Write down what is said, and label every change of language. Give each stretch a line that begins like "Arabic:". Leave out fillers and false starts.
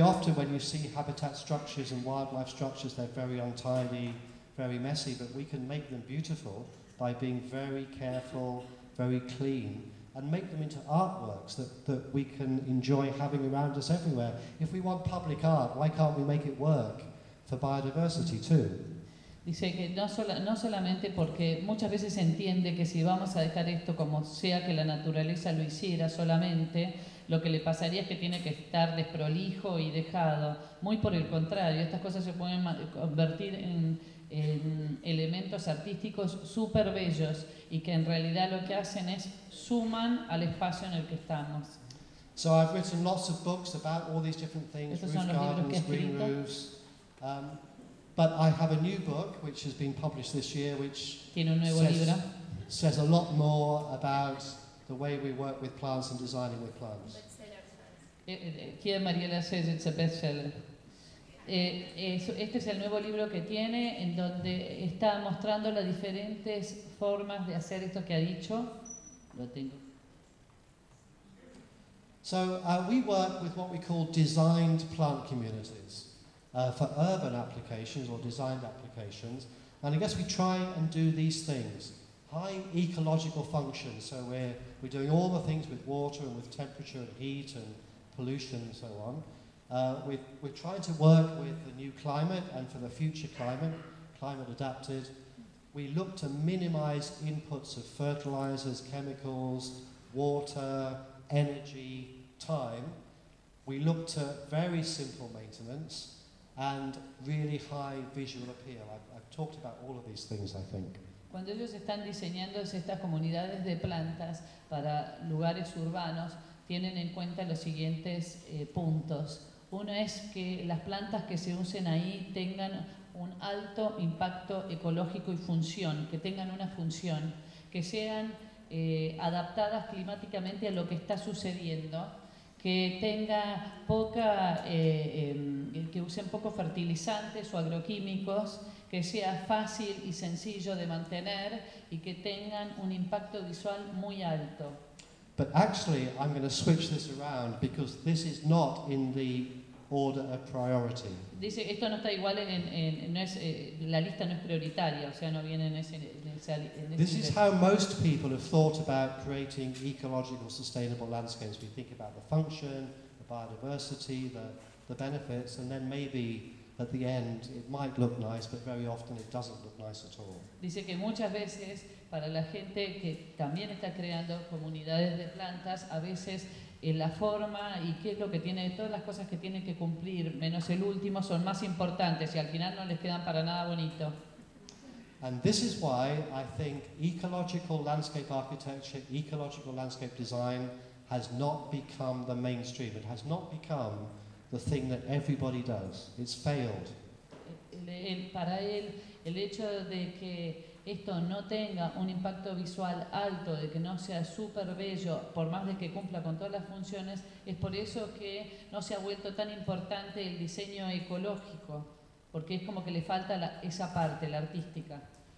English: often when you see habitat structures and wildlife structures, they're very untidy, very messy, but we can make them beautiful by being very careful, very clean, and make them into artworks that we can enjoy having around us everywhere. If we want public art, why can't we make it work for biodiversity too?
Spanish: Dice que no solamente porque muchas veces se entiende que si vamos a dejar esto como sea que la naturaleza lo hiciera solamente, lo que le pasaría es que tiene que estar desprolijo y dejado. Muy por el contrario, estas cosas se pueden convertir en elementos artísticos súper bellos y que en realidad lo que hacen es suman al espacio en el que estamos.
English: So I've written lots of books about all these different things.
Spanish: Estos son los libros que he escrito.
English: But I have a new book, which has been published this year, which
Spanish: tiene un nuevo libro.
English: Says a lot more about the way we work with plants and designing with plants. Here, Mariela says it's a bestseller.
Spanish: Este es el nuevo libro que tiene, en donde está mostrando las diferentes formas de hacer esto que ha dicho. Lo tengo.
English: So we work with what we call designed plant communities. For urban applications or designed applications, and I guess we try and do these things: high ecological functions. So we're doing all the things with water and with temperature and heat and pollution and so on. We're trying to work with the new climate and for the future climate adapted. We look to minimize inputs of fertilizers, chemicals, water, energy, time. We look to very simple maintenance and really high visual appeal. I've talked about all of these things, I think.
Spanish: Cuando ellos están diseñando estas comunidades de plantas para lugares urbanos, tienen en cuenta los siguientes puntos. Uno es que las plantas que se usen ahí tengan un alto impacto ecológico y función, que tengan una función, que sean adaptadas climáticamente a lo que está sucediendo, que tenga poca que usen poco fertilizantes o agroquímicos, que sea fácil y sencillo de mantener y que tengan un impacto visual muy alto.
English: But actually, I'm going to switch this around because this is not in the order of priority.
Spanish: Dice, esto no está igual la lista no es prioritaria, o sea, no viene en ese
English: This is how most people have thought about creating ecological sustainable landscapes. We think about the function, the biodiversity, the benefits, and then maybe at the end it might look nice, but very often it doesn't look nice at all.
Spanish: Dice que muchas veces para la gente que también está creando comunidades de plantas, a veces en la forma y qué es lo que tiene, todas las cosas que tienen que cumplir, menos el último, son más importantes y al final no les quedan para nada bonito.
English: And this is why I think ecological landscape architecture, ecological landscape design has not become the mainstream. It has not become the thing that everybody does. It's failed.
Spanish: Para él, el hecho de que esto no tenga un impacto visual alto, de que no sea súper bello, por más de que cumpla con todas las funciones, es por eso que no se ha vuelto tan importante el diseño ecológico, porque es como que le falta esa parte, la artística.